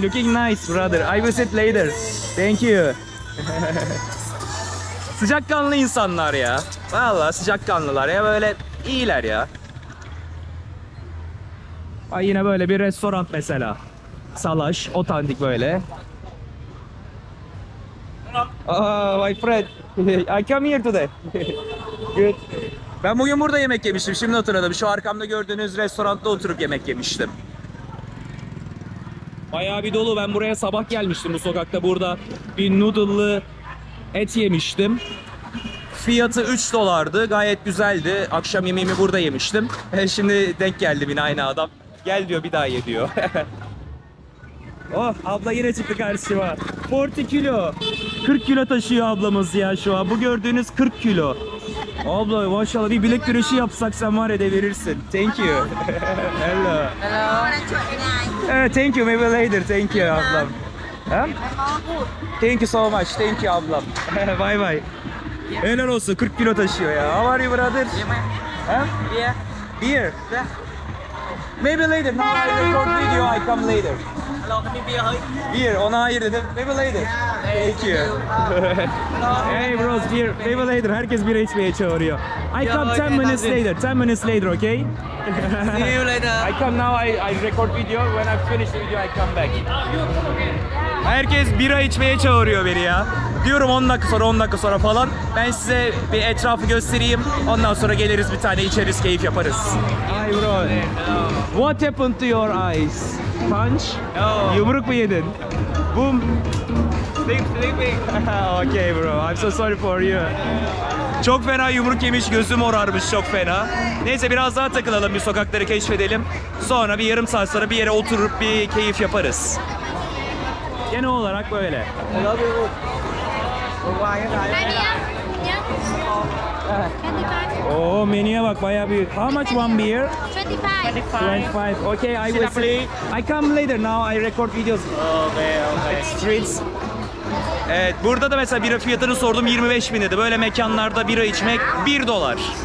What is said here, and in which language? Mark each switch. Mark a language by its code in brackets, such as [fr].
[en] Looking nice brother. I will sit later. Thank you. [tr] Sıcakkanlı insanlar ya. Vallahi sıcakkanlılar ya, böyle iyiler ya. Ay yine böyle bir restoran mesela. Salaş, otantik böyle. [en] My friend, I come here today. Good. [tr] Ben bugün burada yemek yemiştim, şimdi hatırladım. Şu arkamda gördüğünüz restoranda oturup yemek yemiştim. Bayağı bir dolu. Ben buraya sabah gelmiştim bu sokakta. Burada bir noodle'lı et yemiştim. Fiyatı 3 dolardı. Gayet güzeldi. Akşam yemeğimi burada yemiştim. Şimdi denk geldi yine aynı adam. Gel diyor, bir daha ye diyor. Oh, abla yine çıktı karşıma. 40 kilo. 40 kilo taşıyor ablamız ya şu an. Bu gördüğünüz 40 kilo. Abla maşallah, bir bilek güreşi yapsak sen var ya, devirirsin. [en] Thank you. Hello. Hello. Thank you, maybe later. Thank you ablam. Thank you so much. Thank you ablam. Bye bye. [tr] Helal olsun, 40 kilo taşıyor ya. [en] How are you brother? Yeah. Beer? Yeah. Maybe later. No, I record video, I come later. Beer, [tr] ona hayır dedim. [en] Maybe later. Thank you. Hey bros, beer. Maybe later. [tr] Herkes bira içmeye çağırıyor. [en] I come 10 minutes later. 10 minutes later, okay? See you later. I come now, I record video. When I finish the video, I come back. [tr] Herkes bira içmeye çağırıyor beni ya. Diyorum 10 dakika sonra, 10 dakika sonra falan. Ben size bir etrafı göstereyim. Ondan sonra geliriz, bir tane içeriz, keyif yaparız. [en] Hi bro. What happened to your eyes? Punch? No. [tr] Yumruk mu yedin? Boom. [en] Sleeping. Okay bro, I'm so sorry for you. [tr] Çok fena yumruk yemiş, gözüm morarmış çok fena. Neyse biraz daha takılalım, bir sokakları keşfedelim. Sonra bir yarım saat sonra bir yere oturup bir keyif yaparız. Genel olarak böyle. Oh, menüye bak, bayağı bir. [en] How much one beer? 25. Okay, I will see. I come later now, I record videos. Okay. Streets. [tr] Evet, burada da mesela bira fiyatını sordum, 25 bin dedi. Böyle mekanlarda bira içmek 1 dolar.